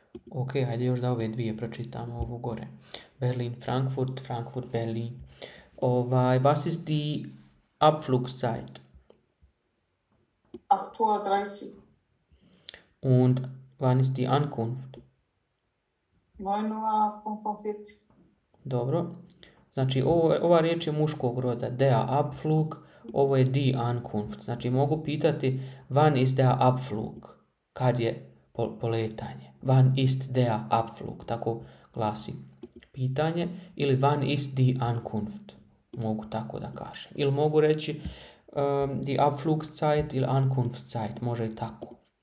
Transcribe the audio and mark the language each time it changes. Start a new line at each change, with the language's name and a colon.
Bosnian: Ok, hajde još da ove dvije pročitamo ovo gore. Berlin, Frankfurt, Frankfurt, Berlin.
German: Was ist die Abflugzeit? 8:30 Uhr. Und wann ist die Ankunft? 9:45 Uhr.
Bosnian: Dobro. Znači, ova riječ je muškog roda.
German: Der Abflug,
Bosnian: ovo je
German: die Ankunft.
Bosnian: Znači, mogu pitati
German: wann ist der Abflug?
Bosnian: Kad je poletanje?
German: Wann ist der Abflug?
Bosnian: Tako glasi pitanje. Ili
German: wann ist die Ankunft?
Bosnian: Mogu tako da kažem. Ili mogu reći die Abflugszeit ili Ankunftszeit. Može i tako.